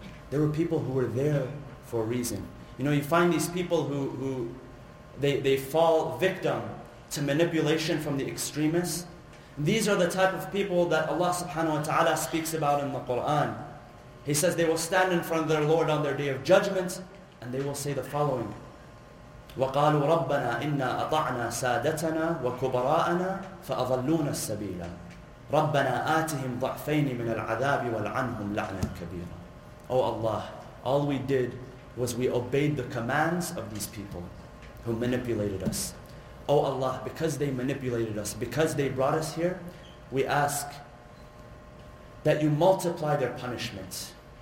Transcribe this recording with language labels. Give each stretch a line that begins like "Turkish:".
English: There were people who were there for a reason. You know, you find these people who they fall victim to manipulation from the extremists. These are the type of people that Allah subhanahu wa ta'ala speaks about in the Quran. He says they will stand in front of their Lord on their day of judgment, And they will say the following,
Arabic: وَقَالُوا رَبَّنَا إِنَّا أَطَعْنَا سَادَتَنَا وَكُبَرَاءَنَا فَأَضَلُّونَ السَّبِيلَ رَبَّنَا آتِهِمْ ضَعْفَيْنِ مِنَ الْعَذَابِ وَالْعَنْهُمْ لَعْنًا كَبِيرًا.
English: O Allah, all we did was we obeyed the commands of these people who manipulated us. O Allah, because they manipulated us, because they brought us here, we ask that you multiply their punishments.